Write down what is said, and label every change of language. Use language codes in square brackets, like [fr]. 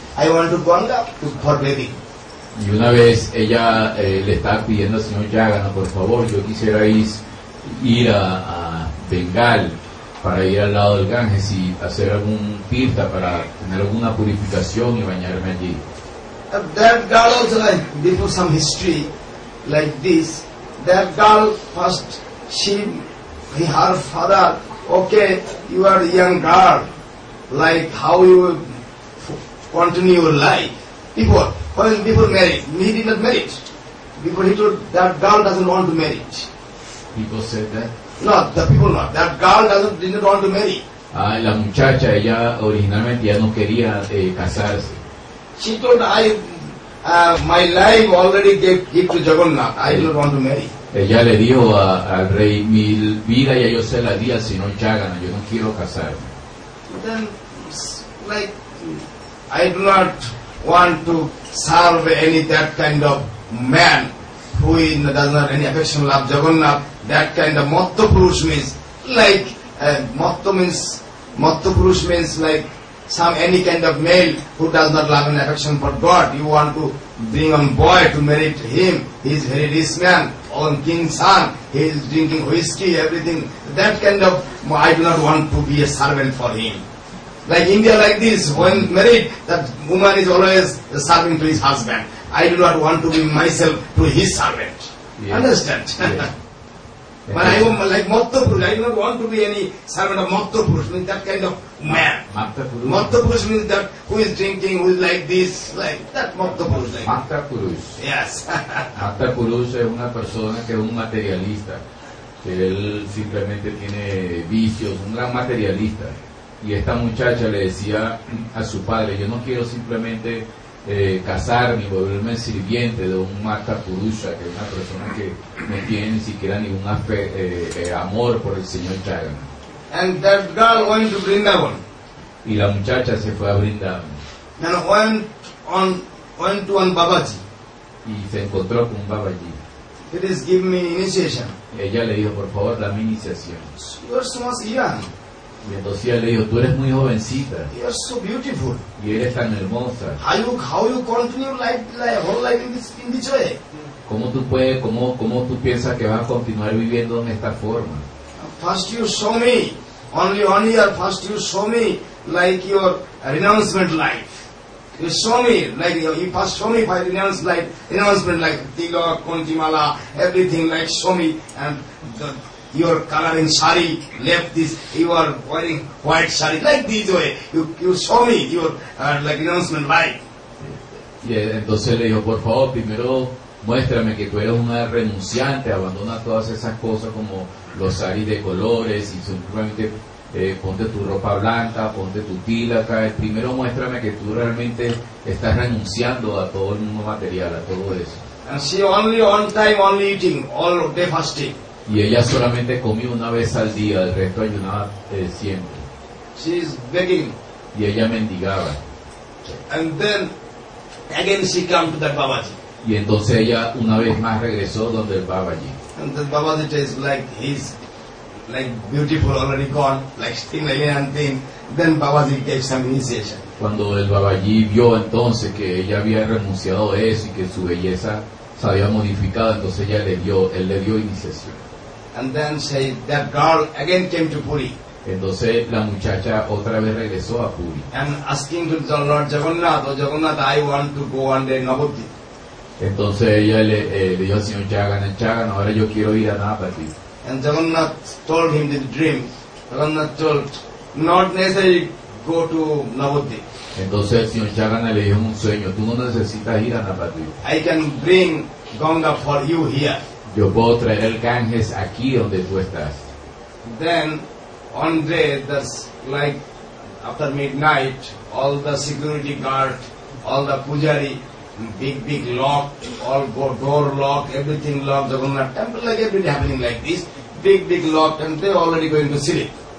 [en] I want to Ganga to, for bathing. [es] Y una vez ella le estaba pidiendo al señor Jagannath, por favor, yo quisiera ir a Bengal para ir al lado del Ganges y hacer algún tirtha para tener alguna purificación y bañarme allí. [en] That girl also like, before some history like this, that girl first her father, okay, you are a young girl, like how you will continue your life before marriage. He did not marry before. He told that girl doesn't want to marry. People said that. No, the people not. That girl didn't want to marry. [es] Ah, la muchacha, ella originalmente ya no quería casarse. [en] She told my life already gave to Jagannath. I don't want to marry. [es] Ella le dijo al rey, mi vida ya yo se la di al señor Jagannath, yo no quiero casarme. [en] Then, like, I do not want to serve any that kind of man who does not any affection love Jagannath, that kind of Matta Purush means, like, Matta Purush means like, some any kind of male who does not love an affection for God, you want to bring a boy to marry him, he is very rich man, on king's son, he is drinking whiskey, everything, that kind of, I do not want to be a servant for him. Like India like this, when married, that woman is always a servant to his husband. I do not want to be myself to his servant. Yeah. Understand? But I am like Matta Purush, I do not want to be any servant of Matta Purush, means that kind of man. Matta Purush means that who is drinking, who is like this, like that Matta Purush. Like. Matta Purush. Yes. [es] Matta Purush es una persona que es un materialista, que él simplemente tiene vicios, un gran materialista. Y esta muchacha le decía a su padre, yo no quiero simplemente casarme y volverme sirviente de un Matta Purusha, que es una persona que no tiene ni siquiera ningún amor por el señor Jagannath. [en] And that girl went to Vrindavan. [es] Y la muchacha se fue a Vrindavan. [en] And went to Babaji. [es] Y se encontró con un Babaji. [en] Please give me initiation. [es] Ella le dijo, por favor, dame iniciación. [en] You are so much young. [es] Y entonces le dijo, tú eres muy jovencita. [en] You are so beautiful. [es] Y eres tan hermosa. [en] How you continue life whole life in this way? [es] ¿Cómo tú puedes, cómo tú piensas que vas a continuar viviendo en esta forma? [en] First you show me, only year, first you show me like your renouncement life. You show me, like you first show me by renouncement life, Tilak, Kuntimala, everything like show me, and your coloring sari, left this, you are wearing white sari, like this way. You show me your renouncement life. [es] Yeah, entonces le dijo, por favor, primero, muéstrame que tú eres una renunciante, abandona todas esas cosas como los saris de colores y simplemente ponte tu ropa blanca, ponte tu tilaka. Primero muéstrame que tú realmente estás renunciando a todo el mundo material, a todo eso. [en] And she only one time only eating, all day fasting. [es] Y ella solamente comía una vez al día, el resto ayunaba siempre. [en] She is begging. [es] Y ella mendigaba. [en] And then again she came to the Babaji. [es] Y entonces ella una vez más regresó donde el Babaji. [en] And the Babaji is like he's like beautiful already gone, like thin again and thin. Then Babaji gave some initiation. [es] Cuando el Babaji vio entonces que ella había renunciado a eso y que su belleza se había modificado, entonces ella le dio iniciación. [en] And then say that girl again came to Puri. [es] Entonces la muchacha otra vez regresó a Puri. [en] And asking to the Lord Jagannath, oh Jagannath, I want to go one day Navadvip. [es] Entonces ella le dijo al señor Jagannath, Jagannath, ahora yo quiero ir a Navadvip. [en] And Jagannath told him the dream. Jagannath told, not necessary go to Navadvip. [es] Entonces el señor Jagannath le dijo un sueño, tú no necesitas ir a Navadvip. [en] I can bring Ganga for you here. [es] Yo puedo traer el Ganges aquí donde tú estás. [en] Then one day, like after midnight, all the security guard, all the pujari, big lock, all door lock, everything locked, Jagannath temple, like everything happening like this, big lock, and they already going to sleep.